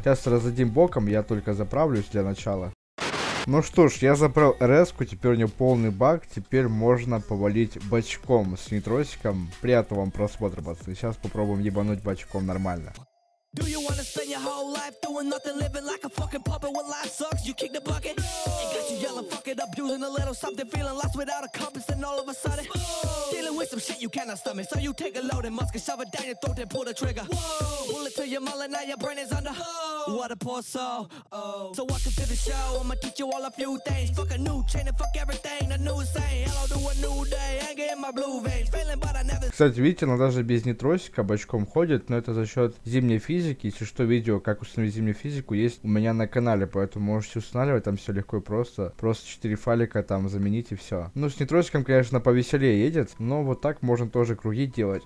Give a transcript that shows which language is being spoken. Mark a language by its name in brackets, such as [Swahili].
[Russian] Сейчас разодим боком, я только заправлюсь для начала. Ну что ж, я заправил РС-ку, теперь у него полный бак, теперь можно повалить бочком с нитросиком. Приятного вам просмотра, пацаны, сейчас попробуем ебануть бочком нормально. [English] Do you wanna spend your whole life doing nothing, living like a fucking puppet when life sucks? You kick the bucket, it got you yelling, fuck it, abusing a little something, feeling lost without a compass, and all of a sudden, dealing with some shit you cannot stomach. So you take a loaded musket, shove it down your throat, then pull the trigger. Pull it to your mullet, now your brain is under. What a poor soul. So welcome to the show, I'ma teach you all a few things. Fuck a new chain and fuck everything, a new saying. Hello to a new day, anger in my blue veins, feeling but I never. [Russian] Кстати, видите, она даже без нитросика бочком ходит, но это за счет зимней физики. Если что, видео, как установить зимнюю физику, есть у меня на канале, поэтому можете устанавливать, там все легко и просто. Просто 4 файлика там заменить и все. Ну, с нитросиком, конечно, повеселее едет, но вот так можно тоже круги делать.